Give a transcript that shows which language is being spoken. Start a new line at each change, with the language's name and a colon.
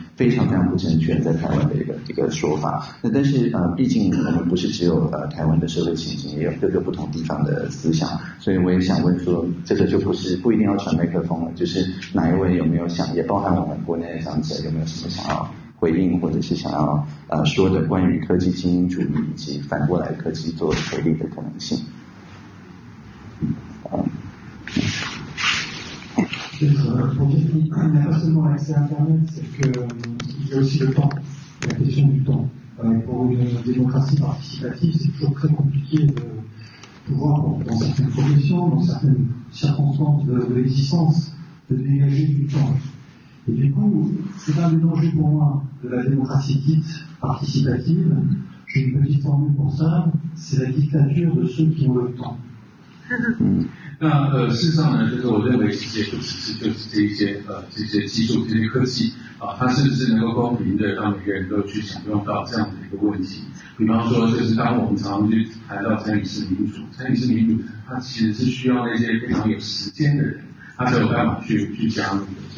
Chinese: 非常非常不健全在台湾的一个说法。那但是毕竟我们不是只有台湾的社会情形，也有各个不同地方的思想，所以我也想问说，这个就不一定要传麦克风了，就是哪一位有没有想，也包含我们国内的长者有没有什么想要回应或者是想要说的关于科技精英主义以及反过来科技做回力的可能性。
French: Ma question à l'internet, c'est que il y a aussi le temps, la question du temps. Pour une démocratie participative, c'est toujours très compliqué de pouvoir, dans certaines professions, dans certaines circonstances de l'existence, de dégager du temps. Et du coup, c'est un des dangers pour moi de la démocratie dite participative. J'ai une petite formule pour ça, c'est la dictature de ceux qui ont le temps.
Chinese: 那事实上呢，就是我认为这些不只是就是这些技术、这些科技啊，它是不是能够公平的让每个人都去享用到这样的一个问题？比方说，就是当我们常常去谈到参与式民主，参与式民主它其实是需要那些非常有时间的人，他才有办法去加入的。